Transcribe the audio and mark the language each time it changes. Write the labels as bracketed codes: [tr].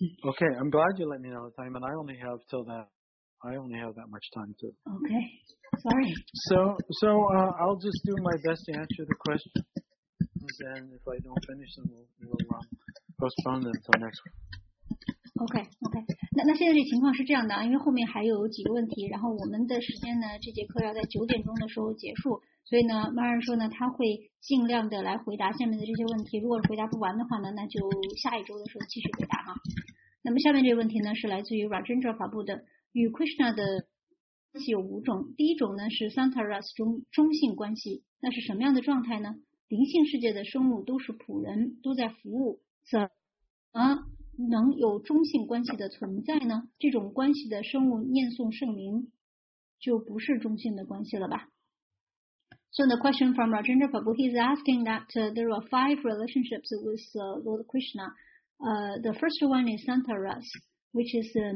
[en] Okay, I'm glad you let me know the time, and I only have till that. I only have that much time too. Okay. Sorry. So I'll just do my best to answer the questions, and if I don't finish them, we'll postpone them till next week. Okay. Okay. [zh] 那现在这情况是这样的，因为后面还有几个问题，然后我们的时间呢，这节课要在9点的时候结束，所以呢，马尔说呢，他会尽量的来回答下面的这些问题。如果回答不完的话呢，那就下一周的时候继续回答哈。那么下面这个问题呢，是来自于 Rajendra 法布的。与 Krishna 的关系有五种，第一种呢是 Santaras 中性关系，那是什么样的状态呢？灵性世界的生物都是仆人，都在服务，怎么能有中性关系的存在呢？这种关系的生物念诵圣名就不是中性的关系了吧？ [en] So the question from Rajendra Prabhu, he is asking that there are 5 relationships with Lord Krishna. The first one is Santaras, which is